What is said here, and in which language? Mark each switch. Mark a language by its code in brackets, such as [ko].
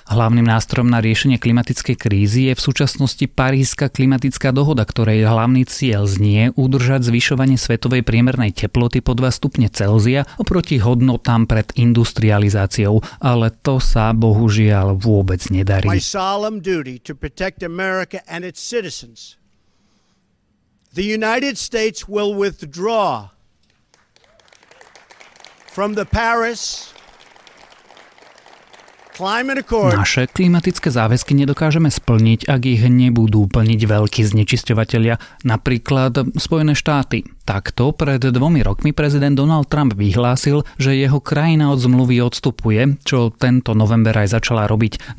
[sk] Hlavným nástrojom na riešenie klimatickej krízy je v súčasnosti Parížska klimatická dohoda, ktorej hlavný cieľ znie udržať zvyšovanie svetovej priemernej teploty pod 2 stupne Celzia oproti hodnotám pred industrializáciou, ale to sa bohužiaľ vôbec nedarí. [en] My solemn duty to protect America and its citizens. The United States will withdraw from the Paris Climate Accord. [sk] Naše klimatické záväzky nedokážeme splniť, ak ich nebudú plniť veľkí znečisťovatelia, napríklad Spojené štáty. Takto pred dvomi rokmi prezident Donald Trump vyhlásil, že jeho krajina od zmluvy odstupuje, čo tento november aj začala robiť.